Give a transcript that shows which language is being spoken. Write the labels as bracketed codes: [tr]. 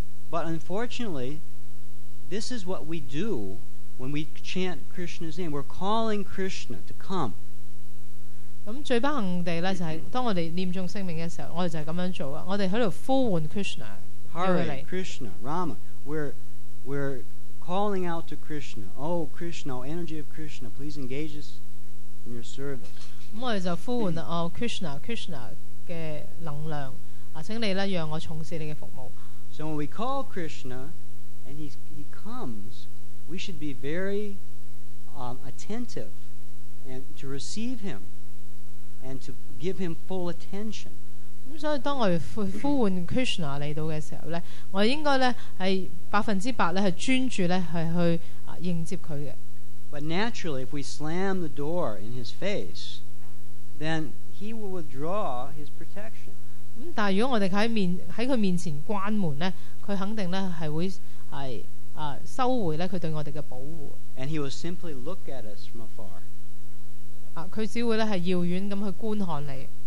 [en] But unfortunately, this is what we do when we chant Krishna's name. We're calling Krishna to come. [zh] 最不幸地就是当我们念诵声明的时候，我们就是这样做，我们在呼唤Krishna。 [en] Hare Krishna, Rama. We're calling out to Krishna. Oh, Krishna, energy of Krishna, please engage us in your service. [zh] 我们就呼唤Krishna, Krishna的能量，请你让我从事你的服务。 [en] So when we call Krishna and he comes, we should be very attentive and to receive him and to give him full attention. [zh] 所以当我们呼唤Krishna来到的时候呢, 我应该呢,是100%专注去迎接他的。 [en] But naturally, if we slam the door in his face, then he will withdraw his protection. [zh] 但如果我们在他面前关门呢, 他肯定呢,是会收回他对我们的保护。 [en] And he will simply look at us from afar. [zh] 他只会遥远地去观看你。